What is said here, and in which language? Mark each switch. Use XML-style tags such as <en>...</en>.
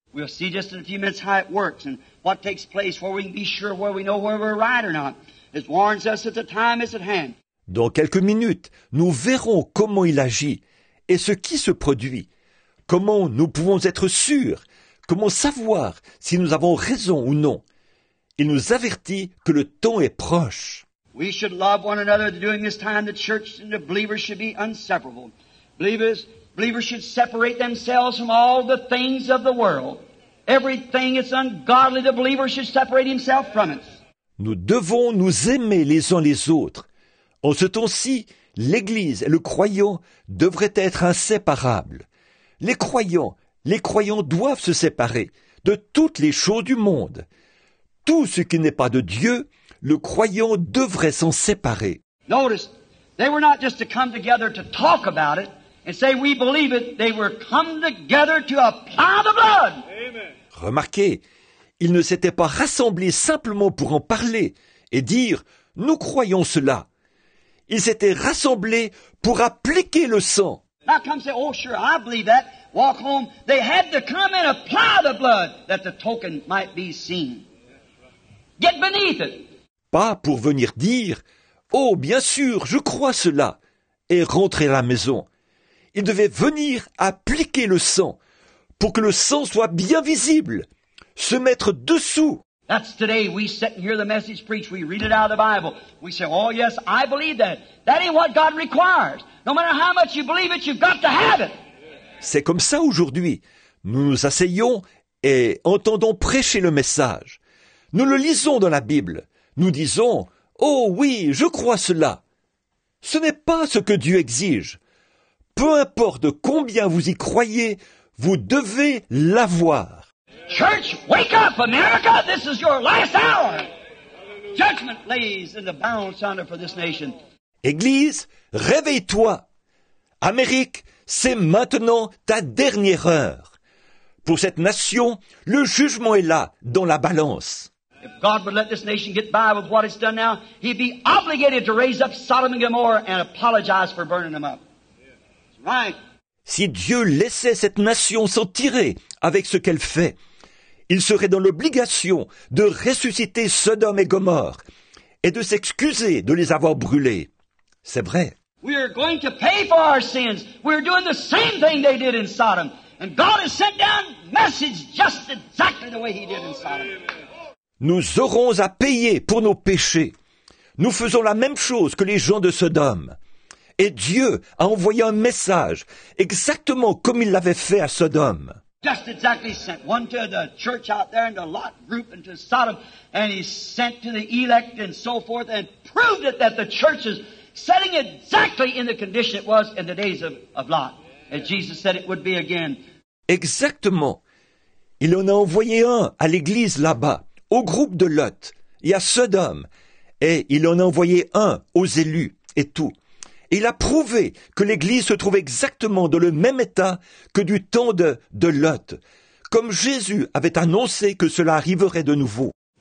<en>We'll see just in a few minutes how it works and what takes place, where we can be sure where we know where we're right or not. It warns us that the time is at hand.</en> <fr>Dans quelques minutes, nous verrons comment il agit et ce qui se produit. Comment nous pouvons être sûrs, comment savoir si nous avons raison ou non. Il nous avertit que le temps est proche.</fr> <en>We should love one another during this time. The church and the believers should be inseparable. Believers should separate themselves from all the things of the world. Everything is ungodly. The believer should separate himself from it.</en> <fr>Nous devons nous aimer les uns les autres. En ce temps-ci, l'Église et le croyant devraient être inséparables. Les croyants doivent se séparer de toutes les choses du monde. Tout ce qui n'est pas de Dieu, le croyant devrait s'en séparer.</fr> <en>Notice, they were not just to come together to talk about it and say we believe it. They were come together to apply the blood.</en> <fr>Remarquez, ils ne s'étaient pas rassemblés simplement pour en parler et dire « Nous croyons cela ». Ils s'étaient rassemblés pour appliquer le sang.</fr> <en>Now come say, oh sure, I believe that. Walk home. They had to come and apply the blood that the token might be seen. Get beneath it.</en> <fr>Pas pour venir dire, oh bien sûr, je crois cela, et rentrer à la maison. Ils devaient venir appliquer le sang pour que le sang soit bien visible, se mettre dessous.</fr> <en>That's today we sit and hear the message preached. We read it out of the Bible. We say, oh yes, I believe that. That ain't what God requires. No matter how much you believe it, you've got to have it.</en> <fr>C'est comme ça aujourd'hui. Nous nous asseyons et entendons prêcher le message. Nous le lisons dans la Bible. Nous disons, oh oui, je crois cela. Ce n'est pas ce que Dieu exige. Peu importe combien vous y croyez, vous devez l'avoir.</fr> <en>Church, wake up, America! This is your last hour. Judgment lays in the balance yonder for this nation.</en> <fr>Église, réveille-toi. Amérique, c'est maintenant ta dernière heure. Pour cette nation, le jugement est là, dans la balance.</fr> <en>If God would let this nation get by with what it's done now, He'd be obligated to raise up Sodom and Gomorrah and apologize for burning them up. Right.</en> <fr>Si Dieu laissait cette nation s'en tirer avec ce qu'elle fait, il serait dans l'obligation de ressusciter Sodome et Gomorre et de s'excuser de les avoir brûlés. C'est vrai.</fr> <en>We are going to pay for our sins. We are doing the same thing they did in Sodom. And God has sent down message just exactly the way He did in Sodom.</en> <fr>Nous aurons à payer pour nos péchés. Nous faisons la même chose que les gens de Sodome. Et Dieu a envoyé un message exactement comme il l'avait fait à Sodome.</fr> <en>Just exactly sent one to the church out there and the Lot group into Sodom, and he sent to the elect and so forth and proved it that the church is setting exactly in the condition it was in the days of Lot, as Jesus said it would be again.</en> <fr>Exactement. Il en a envoyé un à l'église là-bas, au groupe de Lot et à Sodome, et il en a envoyé un aux élus et tout. Il a prouvé que l'Église se trouve exactement dans le même état que du temps de Lot, comme Jésus avait annoncé que cela arriverait de nouveau.</fr>